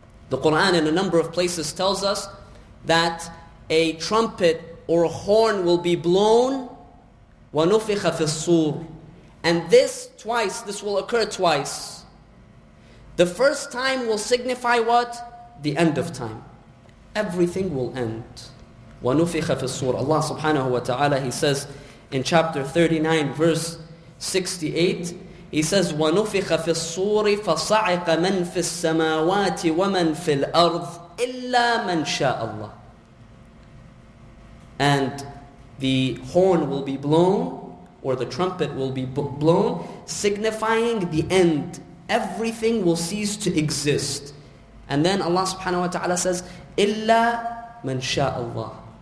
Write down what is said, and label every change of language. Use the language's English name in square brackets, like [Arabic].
[English] The Qur'an in a number of places tells us that a trumpet or a horn will be blown, [Arabic] وَنُفِخَ فِي الصُّورِ. [English] And this twice, this will occur twice. The first time will signify what? The end of time. Everything will end. [Arabic] وَنُفِخَ فِي الصُّورِ. [English] Allah subhanahu wa ta'ala, He says [Arabic] in chapter 39, verse 68, He says, وَنُفِخَ فِي الصُّورِ فَصَعِقَ مَنْ فِي السَّمَاوَاتِ وَمَنْ فِي الْأَرْضِ إِلَّا مَنْ شَاءَ اللَّهِ. [English] And the horn will be blown, or the trumpet will be blown, signifying the end. Everything will cease to exist. And then Allah subhanahu wa ta'ala says, [Arabic] إِلَّا مَنْ شَاءَ اللَّهِ.